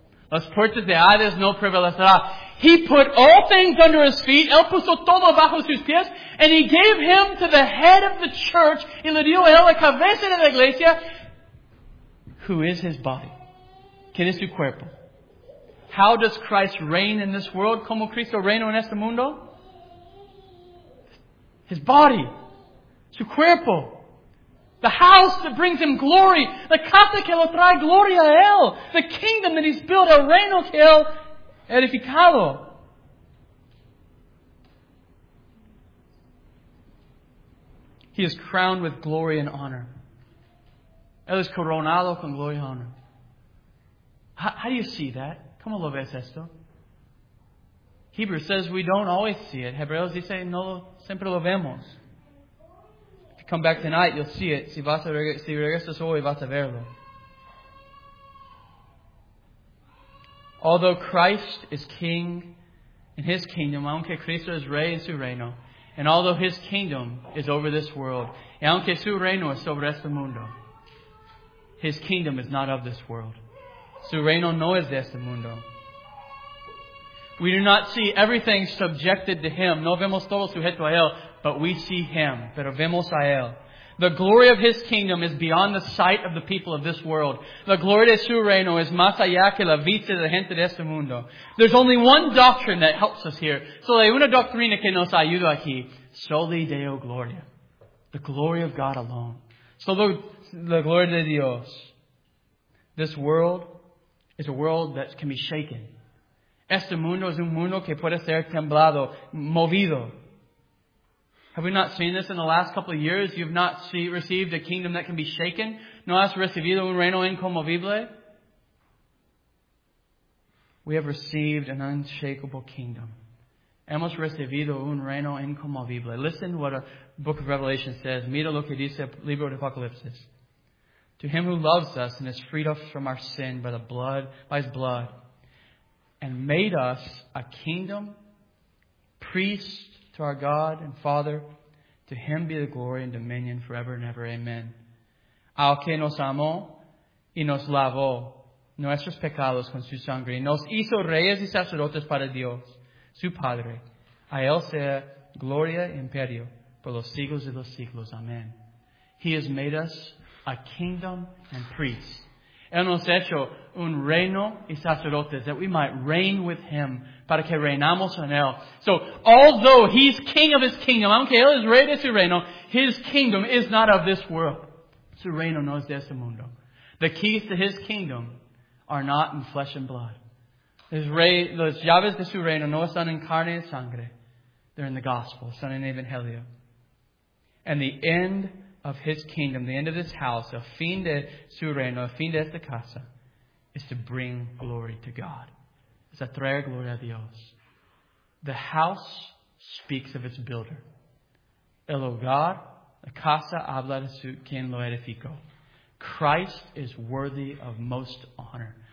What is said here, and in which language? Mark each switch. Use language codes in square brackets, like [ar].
[es] Las puertas de Hades no prevalecerá. [en] He put all things under His feet. [es] Él puso todo bajo sus pies. [en] And He gave Him to the head of the church. [es] Y le dio Él la cabeza de la iglesia. [en] Who is His body. [es] ¿Quién es su cuerpo? [en] How does Christ reign in this world? [es] ¿Cómo Cristo reina en este mundo? [en] His body, [es] su cuerpo, [en] the house that brings Him glory, the [es] casa que lo trae gloria a Él, [en] the kingdom that He's built, [es] el reino que Él edificado. [en] He is crowned with glory and honor. [es] Él es coronado con gloria y honor. [en] How do you see that? [es] ¿Cómo lo ves esto? [en] Hebrews says we don't always see it. [es] Hebreos dice, no, siempre lo vemos. [en] If you come back tonight, you'll see it. [es] Si regresas hoy, vas a verlo. [en] Although Christ is King in His kingdom, [es] aunque Cristo es Rey en su reino, [en] and although His kingdom is over this world, [es] y aunque su reino es sobre este mundo, [en] His kingdom is not of this world. [es] Su reino no es de este mundo. [en] We do not see everything subjected to Him. [es] No vemos todo sujeto a Él, [en] but we see Him. [es] Pero vemos a Él. [en] The glory of His kingdom is beyond the sight of the people of this world. The glory [es] de su reino es más allá que la vista de la gente de este mundo. [en] There's only one doctrine that helps us here. [es] Solo hay una doctrina que nos ayuda aquí. [la] Soli Deo Gloria. [en] The glory of God alone. [es] Solo la gloria de Dios. [en] This world is a world that can be shaken. [es] Este mundo es un mundo que puede ser temblado, movido. [en] Have we not seen this in the last couple of years? You've not received a kingdom that can be shaken? [es] No has recibido un reino inconmovible? [en] We have received an unshakable kingdom. [es] Hemos recibido un reino inconmovible. [en] Listen to what the book of Revelation says. [es] Mira lo que dice el libro de Apocalipsis. [en] To Him who loves us and has freed us from our sin by His blood, and made us a kingdom, priest to our God and Father, to Him be the glory and dominion forever and ever. Amen. [es] Al que nos amó y nos lavó nuestros pecados con su sangre, nos hizo reyes y sacerdotes para Dios, su Padre. A Él sea gloria e imperio por los siglos de los siglos. Amen. [en] He has made us a kingdom and priest. [es] Él nos ha hecho un reino y sacerdotes [en] that we might reign with Him [es] para que reinamos en Él. [en] So, although He's King of His kingdom, [es] aunque Él es Rey de su reino, [en] His kingdom is not of this world. [es] Su reino no es de este mundo. [en] The keys to His kingdom are not in flesh and blood. [es] His rey, las llaves de su reino no están en carne y sangre. [en] They're in the gospel, [es] son en evangelio. [en] And the end of His kingdom, the end of this house, [es] el fin de su reino, el fin de esta casa, [en] is to bring glory to God. [es] Es a traer gloria a Dios. [en] The house speaks of its builder. [es] El hogar, la casa, habla de su quien lo edificó. [en] Christ is worthy of most honor.